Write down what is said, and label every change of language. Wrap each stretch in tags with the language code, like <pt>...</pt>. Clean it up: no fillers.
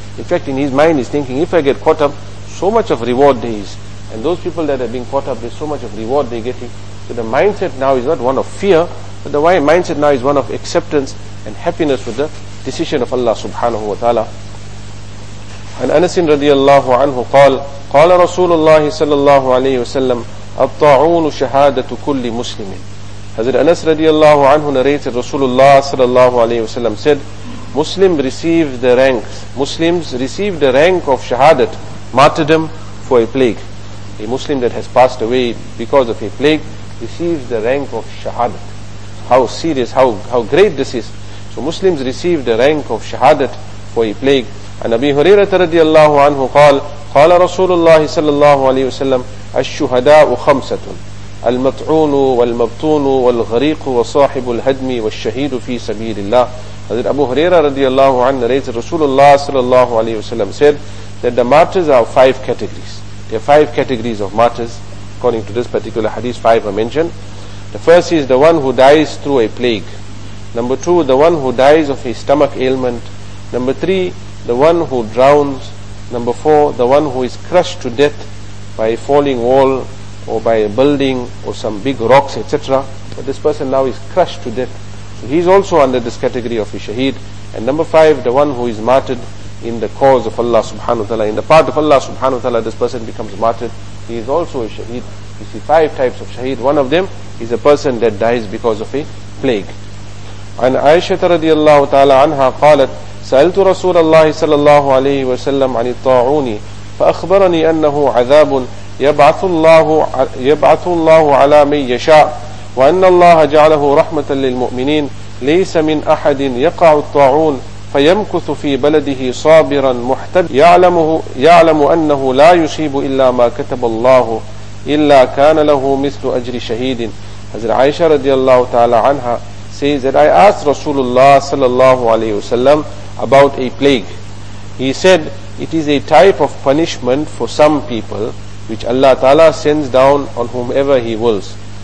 <en>In fact, in his mind, he's thinking, if I get caught up, so much of reward there is. And those people that are being caught up, there's so much of reward they're getting. So the mindset now is not one of fear, but the mindset now is one of acceptance and happiness with the decision of Allah subhanahu wa ta'ala.</en> <ar>عن أنس رضي الله عنه قال قال رسول الله صلى الله عليه وسلم الطاعون شهادة كل مسلم.</ar> <en>حضرت أنس رضي الله عنه narrated رسول الله صلى الله عليه وسلم said Muslim receive the rank, Muslims receive the rank of shahadat, martyrdom for a plague. A Muslim that has passed away because of a plague receives the rank of shahadat. How serious, how great this is. So Muslims receive the rank of shahadat for a plague.</en> <ar>عن أبي هريرة رضي الله عنه قال قال رسول الله صلى الله عليه وسلم الشهداء خمسة المطعون والمبطون والغريق وصاحب الهدم والشهيد في سبيل الله.</ar> <en>حضرت أبو هريرة رضي الله عنه narrated رسول الله صلى الله عليه وسلم said that the martyrs are five categories. There are five categories of martyrs according to this particular hadith. Five are mentioned. The first is the one who dies through a plague. Number two, the one who dies of a stomach ailment. Number three, the one who drowns. Number four, the one who is crushed to death by a falling wall or by a building or some big rocks, etc. But this person now is crushed to death. So he's also under this category of a shaheed. And number five, the one who is martyred in the cause of Allah subhanahu wa ta'ala. In the part of Allah subhanahu wa ta'ala, this person becomes martyred. He is also a shaheed. You see, five types of shaheed. One of them is a person that dies because of a plague.</en> <ar>And Aisha radiallahu ta'ala anha qalat, سألت رسول الله صلى الله عليه وسلم عن الطاعون فأخبرني أنه عذاب يبعث الله على من يشاء وأن الله جعله رحمة للمؤمنين ليس من أحد يقع الطاعون فيمكث في بلده صابرا محتب يعلم أنه لا يصيب إلا ما كتب الله إلا كان له مثل أجر شهيد.</ar> <en>حضرت عائشة رضي الله تعالى عنها says that I asked رسول الله صلى الله عليه وسلم about a plague. He said, it is a type of punishment for some people, which Allah Ta'ala sends down on whomever He wills.</en>